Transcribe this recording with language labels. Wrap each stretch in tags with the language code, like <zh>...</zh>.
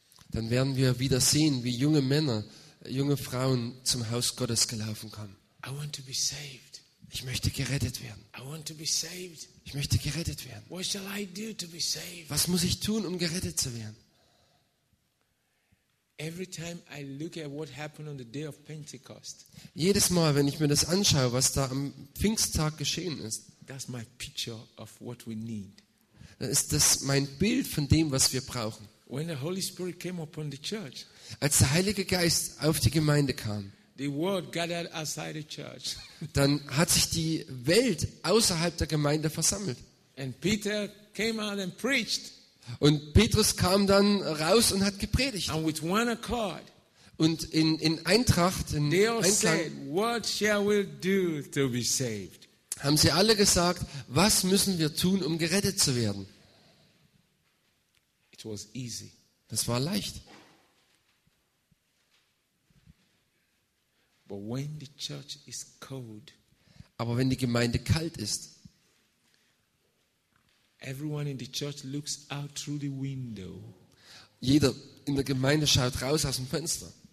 <de>Dann werden wir wieder sehen, wie junge Männer junge Frauen zum Haus Gottes gelaufen kamen.</de> <en>I want to be saved.</en> <de>Ich möchte gerettet werden.</de> <en>I want to be saved.</en> <de>Ich möchte gerettet werden.</de> <en>What shall I do to be saved?</en> <de>Was muss ich tun, um gerettet zu werden?</de> <en>Every time I look at what happened on the day of Pentecost.</en> <de>Jedes Mal, wenn ich mir das anschaue, was da am Pfingsttag geschehen ist,</de> <en>that's my picture of what we need.</en> <de>Dann ist das mein Bild von dem, was wir brauchen.</de> <en>When the Holy Spirit came upon the church.</en> <de>Als der Heilige Geist auf die Gemeinde kam,</de> <en>the world gathered outside the church.</en> <de>Dann hat sich die Welt außerhalb der Gemeinde versammelt.</de> <en>And Peter came out and preached.</en> <de>Und Petrus kam dann raus und hat gepredigt.</de> <en>And with one accord,</en> <de>und in Eintracht, in</de> <en>they all said, what shall we do to be saved?</en> <de>Haben sie alle gesagt, was müssen wir tun, um gerettet zu werden?</de> <en>It was easy.</en> <de>Das war leicht.</de> <en>But when the church is cold,</en> <de>aber wenn die Gemeinde kalt ist,</de> <en>everyone in the church looks out through the window.</en> <de>Jeder in der Gemeinde schaut raus aus dem Fenster.</de>